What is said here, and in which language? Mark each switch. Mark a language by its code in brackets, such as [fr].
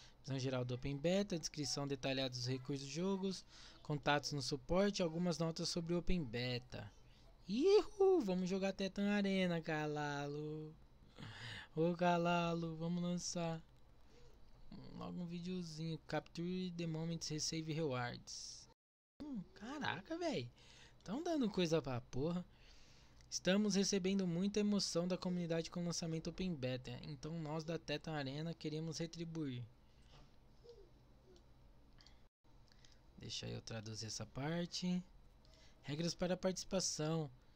[pt] Visão geral do Open Beta, descrição detalhada dos recursos de jogos, contatos no suporte, algumas notas sobre o Open Beta. Ihu! Vamos jogar Tetan Arena, Galalo! Ô, Galalo, vamos lançar logo um videozinho. [en] Capture the moments, receive rewards. [pt] Caraca, velho! Tão dando coisa pra porra. Estamos recebendo muita emoção da comunidade com o lançamento Open Beta, então nós da Tetan Arena queremos retribuir. Deixa eu traduzir essa parte. Regras para participação.